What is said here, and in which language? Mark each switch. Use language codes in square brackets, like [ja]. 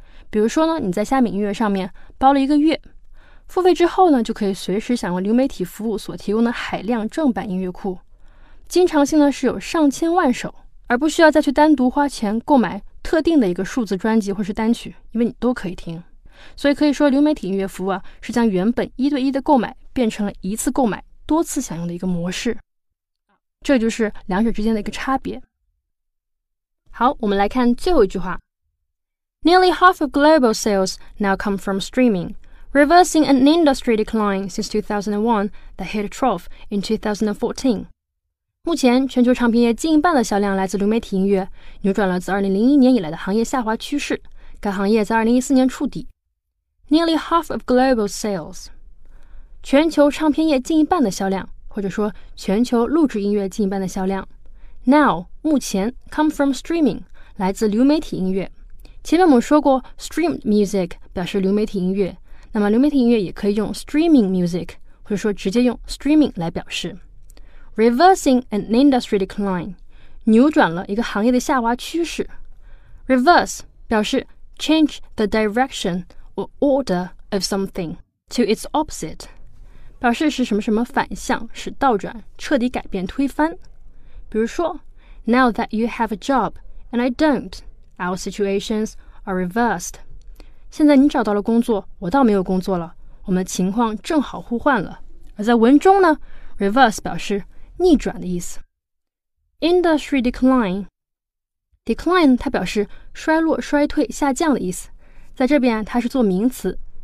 [zh] 比如说呢，你在虾米音乐上面包了一个月，付费之后呢，就可以随时享用流媒体服务所提供的海量正版音乐库，经常性呢是有上千万首，而不需要再去单独花钱购买特定的一个数字专辑或是单曲，因为你都可以听。所以可以说，流媒体音乐服务啊，是将原本一对一的购买变成了一次购买多次享用的一个模式。这就是两者之间的一个差别。好，我们来看最后一句话。 [en] Nearly half of global sales now come from streaming, reversing an industry decline since 2001 that hit a trough in 2014. [zh] 目前，全球唱片业近一半的销量来自流媒体音乐，扭转了自2001年以来的行业下滑趋势。该行业在2014年触底。 [en] Nearly half of global sales. [zh] 全球唱片业近一半的销量，或者说全球录制音乐近一半的销量。 Now, 目前 [en] come from streaming, [zh] 来自流媒体音乐。前面我们说过 streamed music 表示流媒体音乐，那么流媒体音乐也可以用 streaming music 或者说直接用 streaming 来表示。 [en] Reversing an industry decline [zh] 扭转了一个行业的下滑趋势。 Reverse 表示 [en] change the direction or order of something to its opposite， [zh] 表示是什么什么反向，是倒转，彻底改变，推翻。比如说 [en] Now that you have a job and I don'tOur situations are reversed. [zh] 现在你找到了工作，我倒没有工作了，我们的情况正好互换了。而在文中呢， reverse 表示逆转的意思。 Industry decline， decline 它表示衰落、衰退、下降的意思，在这边它是做名词。